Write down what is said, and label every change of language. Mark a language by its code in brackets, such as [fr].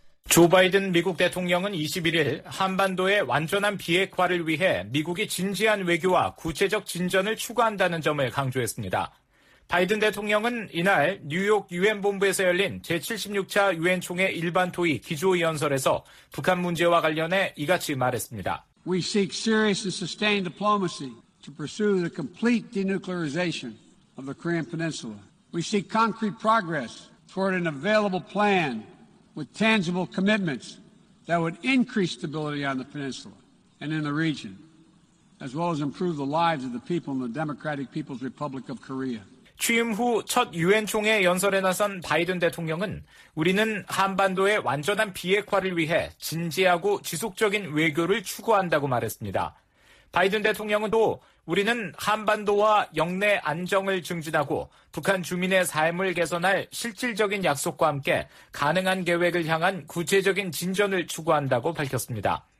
[ko] 조 바이든 미국 대통령은 21일 한반도의 완전한 비핵화를 위해 미국이 진지한 외교와 구체적 진전을 추구한다는 점을 강조했습니다. 바이든 대통령은 이날 뉴욕 유엔 본부에서 열린 제76차 유엔 총회 일반 토의 기조 연설에서 북한 문제와 관련해 이같이 말했습니다. [en] We seek serious and sustained diplomacy to pursue the complete denuclearization of the Korean Peninsula. We seek concrete progress toward an available plan with tangible commitments that would increase stability on the peninsula and in the region as well as improve the lives of the people in the Democratic People's Republic of Korea. [ko] 취임 후 첫 유엔 총회 연설에 나선 바이든 대통령은 우리는 한반도의 완전한 비핵화를 위해 진지하고 지속적인 외교를 추구한다고 말했습니다. 바이든 대통령은 또 우리는 한반도와 영내 안정을 증진하고 북한 주민의 삶을 개선할 실질적인 약속과 함께 가능한 계획을 향한 구체적인 진전을 추구한다고 밝혔습니다.